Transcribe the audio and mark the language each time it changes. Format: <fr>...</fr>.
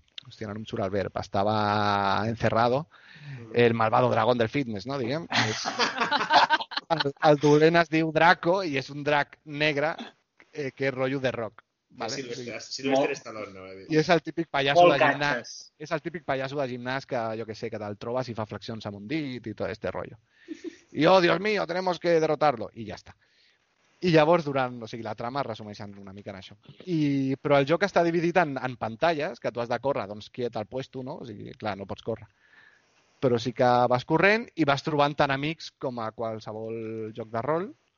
<ca>Hostia, no em surt el verb. Estava encerrado.</ca> <es>El malvado dragón del fitness,</es> <ca>no? Diguem. El dolent es diu Draco i és un drac negre que és rotllo de rock. ¿Vale? Silvestre Stallone, no? I és el típic pallasso de gimnàs. És el típic pallasso de gimnàs que, jo que sé, que te'l trobes i fa flexions amb un dit i tot este rotllo.</ca> <es>I, oh, Dios mío, tenemos que derrotarlo.</es> <ca>I ja està. I llavors, durant, o sigui, la trama es resumeix una mica en això. Però el joc està dividit en pantalles, que tu has de córrer, doncs, quiet al puesto, no? O sigui, clar, no pots córrer. Però sí que vas corrent i vas trobant tant amics com a qualsevol joc de rol.</ca>